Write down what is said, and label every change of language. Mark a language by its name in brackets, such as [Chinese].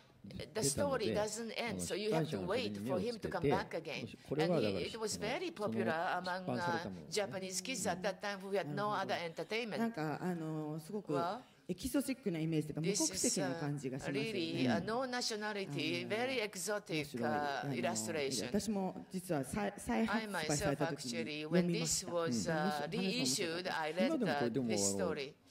[English] The story doesn't end, so you have to wait for him to come back again. And it was very popular among Japanese kids at that time who had no other entertainment. [Japanese] なんかすごくエキゾチックなイメージとか無国籍な感じがしますよね。 [English] This is really a no nationality, very exotic illustration. [Japanese] 私も実は再発売された時に読みました。 [English] When this was reissued, I read this story.